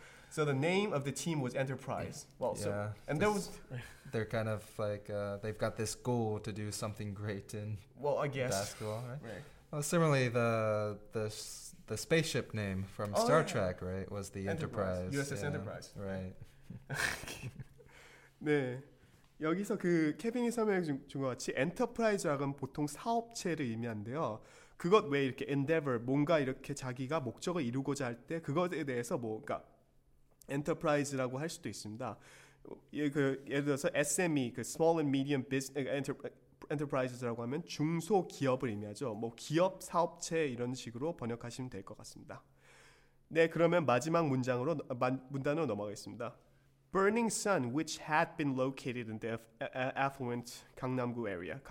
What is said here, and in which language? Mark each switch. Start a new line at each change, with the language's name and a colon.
English: So the name of the team was Enterprise. Well, yeah. They're kind of like they've got this goal to do something great in basketball, right? Right. Well, similarly, the spaceship name from Star Trek, right, was the Enterprise. USS Enterprise. Right.
Korean: 네. 여기서 그 케빈이 설명해 준 것 같이 엔터프라이즈라고는 보통 사업체를 의미한데요. 그것 외에 이렇게 endeavor, 뭔가 이렇게 자기가 목적을 이루고자 할 때 그것에 대해서 뭐, 그러니까 엔터프라이즈라고 할 수도 있습니다. 예를 들어서 SME, 그
English: small and medium business
Korean: enterprises라고 하면 중소 기업을 의미하죠. 뭐 기업 사업체 이런 식으로 번역하시면 될 것 같습니다. 네, 그러면 마지막 문단으로 넘어가겠습니다.
English: Burning Sun, which had been located in the affluent 강남구 area.